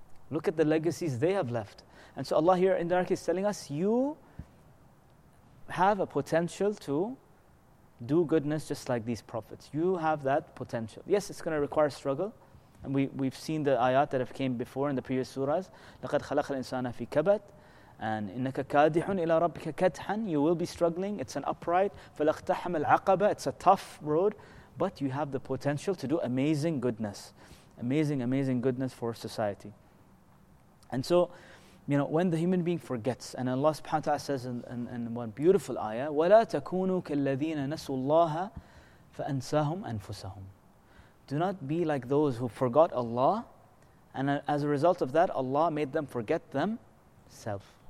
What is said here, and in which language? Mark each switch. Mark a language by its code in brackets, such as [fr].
[en] Look at the legacies they have left. And so Allah here indirectly is telling us, you have a potential to do goodness just like these prophets. You have that potential. Yes, it's going to require struggle. And we've seen the ayat that have came before in the previous surahs. [ar] لَقَدْ خَلَقَ الْإِنسَانَ فِي كَبَدْ [en] And [ar] إِنَّكَ كَادِحٌ إِلَىٰ رَبِّكَ كَدْحًا [en] You will be struggling. It's an upright. [ar] فَلَقْتَحَمَ الْعَقَبَ [en] It's a tough road. But you have the potential to do amazing goodness. Amazing, amazing goodness for society. And so, you know, when the human being forgets, and Allah subhanahu wa ta'ala says in one beautiful ayah, [ar] وَلَا تَكُونُوا كَالَّذِينَ نَسُوا اللَّهَ فَأَنْسَاهُمْ أَنفُسَهُمْ [en] Do not be like those who forgot Allah, and as a result of that, Allah made them forget themselves.